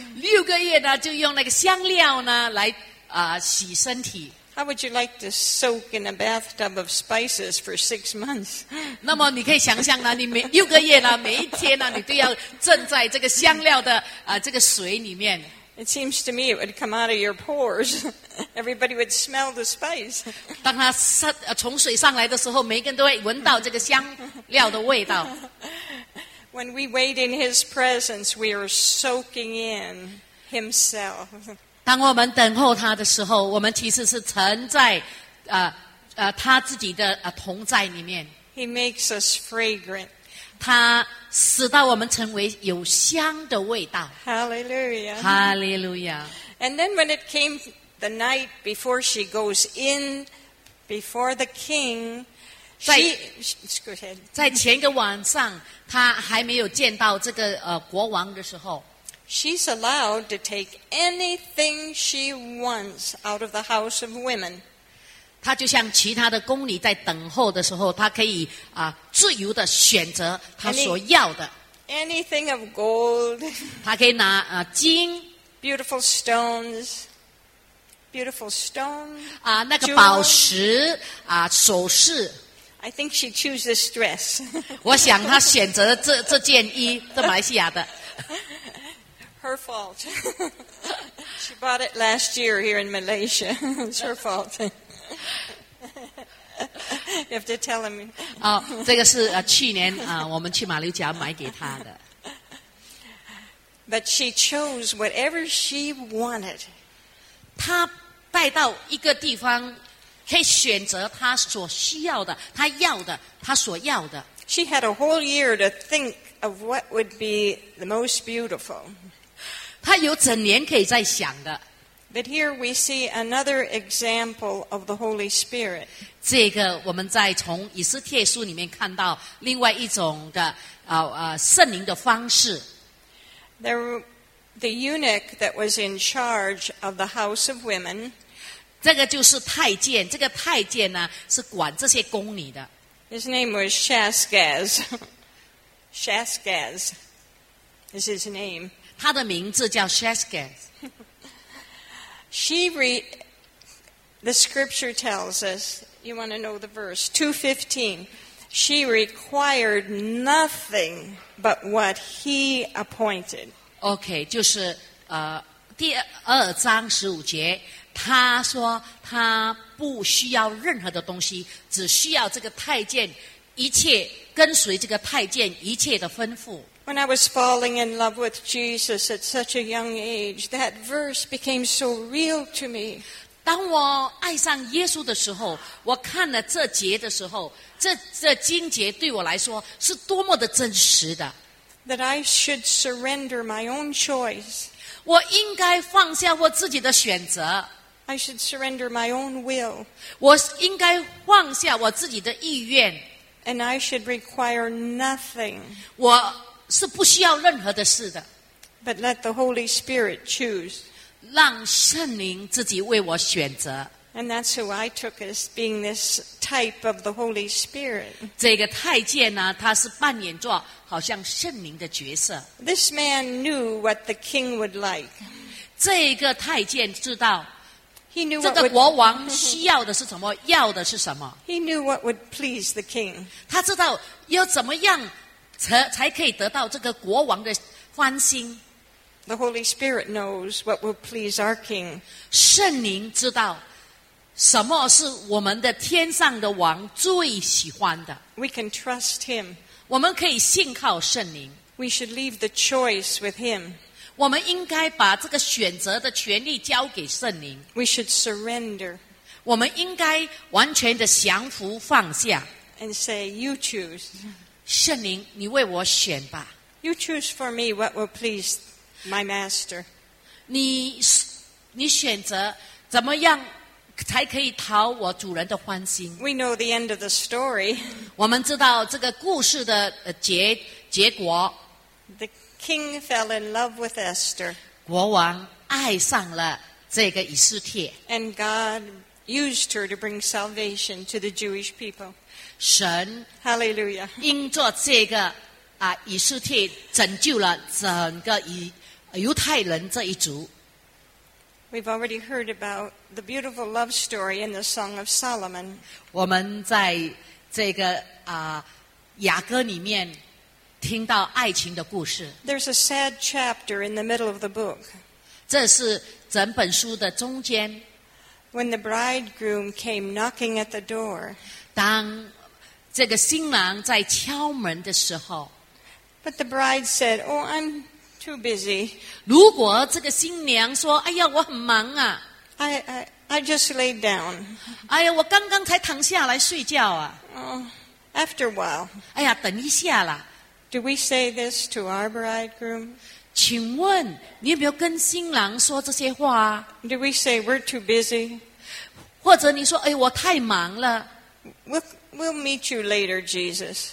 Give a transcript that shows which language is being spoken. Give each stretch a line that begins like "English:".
Chinese: 六个月呢就用那个香料呢来洗身体。
English: How would you like to soak in a bathtub of spices for 6 months?
Chinese: 那么你可以想象呢，你每六个月呢，每一天呢，你都要浸在这个香料的这个水里面。
English: It seems to me it would come out of your pores. Everybody would smell the spice.
Chinese: 当它从水上来的时候，每个人都会闻到这个香料的味道。
English: When we wait in His presence, we are soaking in Himself.
Chinese: 当我们等候他的时候，我们其实是沉在他自己的同在里面。
English: He makes us fragrant.
Chinese: 他使到我们成为有香的味道。
English: Hallelujah. Hallelujah. And then when it came the night before she goes in before the king, she
Chinese: 在前一个晚上。他还没有见到这个国王的时候
English: ，She's allowed to take anything she wants out of the house of women.
Chinese: 他就像其他的宫女在等候的时候，他可以自由的选择他所要的。
English: Anything of gold.
Chinese: 他可以拿金
English: ，beautiful stones, beautiful stones.
Chinese: 那个宝石首饰。
English: I think she chose this dress.
Chinese: 我想她选择了这件衣，这马来西亚的。
English: Her fault. She bought it last year here in Malaysia. It's her fault. You have to tell him.
Chinese: 这个是去年我们去马六甲买给她的。
English: But she chose whatever she wanted.
Chinese: 她带到一个地方。可以选择他所需要的，他要的，他所要的。
English: She had a whole year to think of what would be the most beautiful.
Chinese: 他有整年可以在想的。
English: But here we see another example of the Holy Spirit.
Chinese: 这个我们在从以斯帖书里面看到另外一种的圣灵的方式。
English: The eunuch that was in charge of the house of women.
Chinese: 这个就是太监，这个太监呢是管这些宫女的。
English: His name was Shaskaz. Shaskaz is his name.
Chinese: 他的名字叫 Shaskaz.
English: The scripture tells us, you want to know the verse, 2:15. She required nothing but what he appointed.
Chinese: Okay, 就是第二章十五节。他说他不需要任何的东西，只需要这个太监一切跟随这个太监一切的吩咐。
English: When I was falling in love with Jesus at such a young age, that verse became so real to me.
Chinese: 当我爱上耶稣的时候，我看了这节的时候，这经节对我来说是多么的真实的。
English: That I should surrender my own choice.
Chinese: 我应该放下我自己的选择。
English: I should surrender my own will.
Chinese: 我应该放下我自己的意愿。
English: And I should require nothing.
Chinese: 我是不需要任何的事的。
English: But let the Holy Spirit choose.
Chinese: 让圣灵自己为我选择。
English: And that's who I took as being this type of the Holy Spirit.
Chinese: 这个太监呢，他是扮演着好像圣灵的角色。
English: This man knew what the king would like.
Chinese: 这个太监知道。
English: He knew
Chinese: 这个国王需要的是什么？要的是什么
English: ？He knew what would please the king.
Chinese: 他知道要怎么样才可以得到这个国王的欢心。
English: The Holy Spirit knows what will please our king.
Chinese: 圣灵知道什么是我们的天上的王最喜欢的。
English: We can trust him.
Chinese: 我们可以信靠圣灵。
English: We should leave the choice with him.
Chinese: 我们应该把这个选择的权利交给圣灵。
English: We should surrender.
Chinese: 我们应该完全的降服放下。
English: And say, you choose.
Chinese: 圣灵，你为我选吧。
English: You choose for me what will please my master.
Chinese: 你选择怎么样才可以讨我主人的欢心。
English: We know the end of the story.
Chinese: 我们知道这个故事的结果。
English: King fell in love with Esther.
Chinese: 国王爱上了这个以斯帖。
English: And God used her to bring salvation to the Jewish people.
Chinese: 神
English: Hallelujah.
Chinese: 因着这个以斯帖拯救了整个犹太人这一族。
English: We've already heard about the beautiful love story in the Song of Solomon.
Chinese: 我们在这个雅歌里面听到爱情的故事。
English: There's a sad chapter in the middle of the book.
Chinese: 这是整本书的中间。
English: When the bridegroom came knocking at the door.
Chinese: 当这个新郎在敲门的时候。
English: But the bride said, "Oh, I'm too busy."
Chinese: 如果这个新娘说，哎呀，我很忙啊。
English: I just laid down.
Chinese: 哎呀，我刚刚才躺下来睡觉啊。
English: Oh, after a while.
Chinese: 哎呀，等一下啦。
English: Do we say this to our bridegroom?
Chinese: 请问你有没有跟新郎说这些话？
English: Do we say we're too busy?
Chinese: 或者你说，哎，我太忙了。
English: We'll meet you later, Jesus.